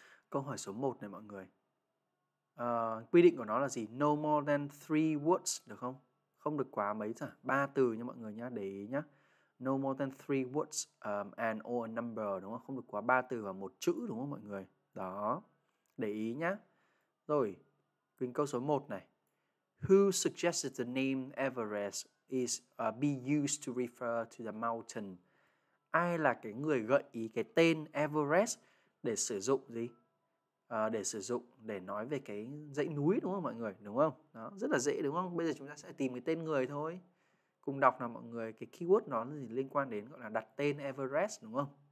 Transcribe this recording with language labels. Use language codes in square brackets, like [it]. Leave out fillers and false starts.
[vi] Câu hỏi số 1 này mọi người. Quy định của nó là gì? [en] No more than 3 words, [vi] được không? Không được quá mấy chả? 3 từ nha mọi người nhá, để ý nhá. [en] No more than 3 words and or a number, [vi] đúng không? Không được quá 3 từ và 1 chữ, đúng không mọi người? Đó, để ý nhá. Rồi, quyền câu số 1 này. [en] Who suggested the name Everest is be used to refer to the mountain? [vi] Ai là cái người gợi ý cái tên Everest để sử dụng gì? Để sử dụng, để nói về cái dãy núi đúng không mọi người? Đúng không? Đó, rất là dễ đúng không? Bây giờ chúng ta sẽ tìm cái tên người thôi. Cùng đọc nào mọi người, cái keyword nó thì liên quan đến gọi là đặt tên Everest đúng không?